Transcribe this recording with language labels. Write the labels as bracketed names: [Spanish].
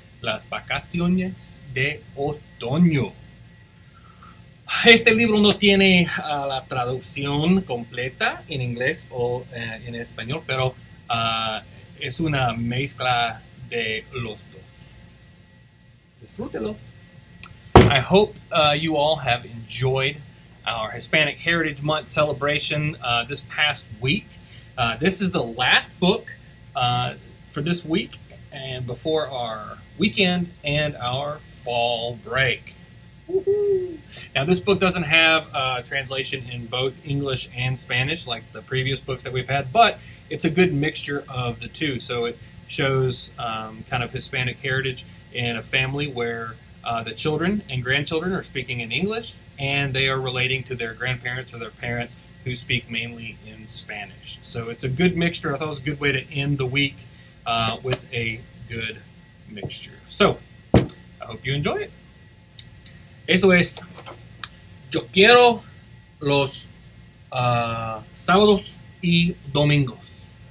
[Spanish] las vacaciones de otoño. Este libro no tiene la traducción completa en inglés o en español, pero es una mezcla de los dos. Disfrútelo. [English] I hope you all have enjoyed our Hispanic Heritage Month celebration this past week. This is the last book for this week and before our weekend and our fall break. Woo-hoo. Now, this book doesn't have a translation in both English and Spanish like the previous books that we've had, but it's a good mixture of the two. So it shows kind of Hispanic heritage in a family where the children and grandchildren are speaking in English and they are relating to their grandparents or their parents who speak mainly in Spanish. So it's a good mixture. I thought it was a good way to end the week with a good mixture. So I hope you enjoy it. [Spanish] Esto es, yo quiero los sábados y domingos.